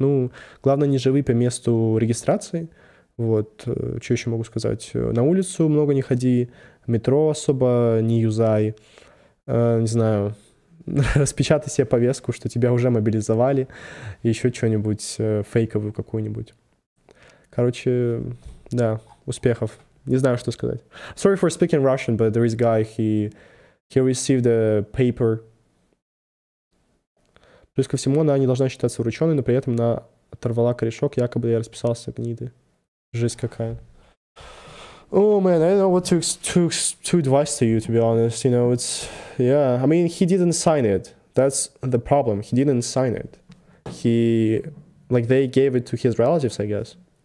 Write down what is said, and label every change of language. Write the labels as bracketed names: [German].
[Russian] Ну, главное, не живи по месту регистрации. Вот, что еще могу сказать? На улицу много не ходи, метро особо не юзай. Не знаю, распечатай себе повестку, что тебя уже мобилизовали, еще что-нибудь фейковую какую-нибудь. Короче, да, успехов. Не знаю, что сказать. [English] Sorry for speaking Russian, but there is a guy, he received a paper. [Russian] Плюс ко всему, она не должна считаться врученной, но при этом она оторвала корешок, якобы я расписался гниды. Жесть какая. [English] Oh man, I don't know what to advise to you, to be honest. You know, it's, yeah, I mean, he didn't sign it. That's the problem. He didn't sign it. He, like, they gave it to his relatives, I guess.